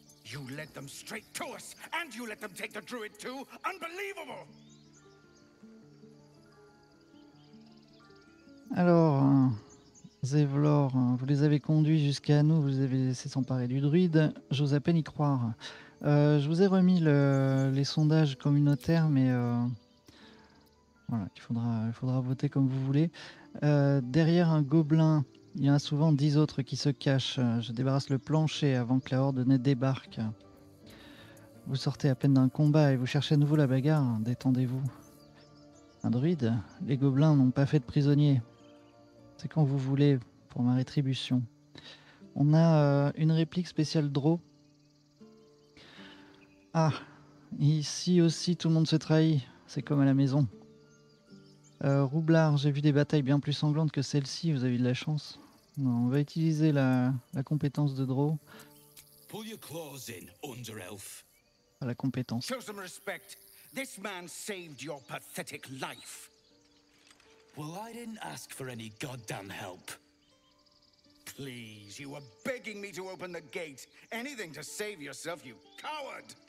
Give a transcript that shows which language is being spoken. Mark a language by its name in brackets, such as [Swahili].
[English] You led them straight to us, and you let them take the druid too? Unbelievable! [French] Alors, Zevlor, vous les avez conduits jusqu'à nous, vous les avez laissés s'emparer du druide, j'ose à peine y croire. Je vous ai remis les sondages communautaires, mais voilà, il faudra voter comme vous voulez. Derrière un gobelin, il y en a souvent 10 autres qui se cachent. Je débarrasse le plancher avant que la horde ne débarque. Vous sortez à peine d'un combat et vous cherchez à nouveau la bagarre. Détendez-vous. Un druide? Les gobelins n'ont pas fait de prisonniers. C'est quand vous voulez, pour ma rétribution. On a une réplique spéciale Drow. Ah, ici aussi tout le monde se trahit. C'est comme à la maison. Roublard, j'ai vu des batailles bien plus sanglantes que celle-ci, vous avez eu de la chance. Non, on va utiliser la compétence de Drow. [English] Pull your claws in, Underelf. [French] Ah, la compétence. [English] Show some respect. This man saved your pathetic life. Well, I didn't ask for any goddamn help. Please, you were begging me to open the gate. Anything to save yourself, you coward!